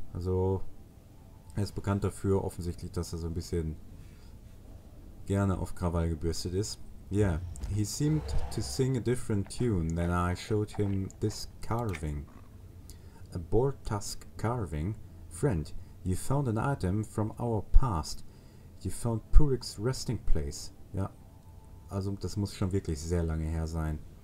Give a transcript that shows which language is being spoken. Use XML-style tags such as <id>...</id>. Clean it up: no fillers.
<de>Also, er ist bekannt dafür offensichtlich, dass er so ein bisschen gerne auf Krawall gebürstet ist.</de> <en>Yeah, he seemed to sing a different tune than I showed him this carving. A boar tusk carving? Friend, you found an item from our past. You found Purik's resting place.</en> <de>Ja, also das muss schon wirklich sehr lange her sein.</de>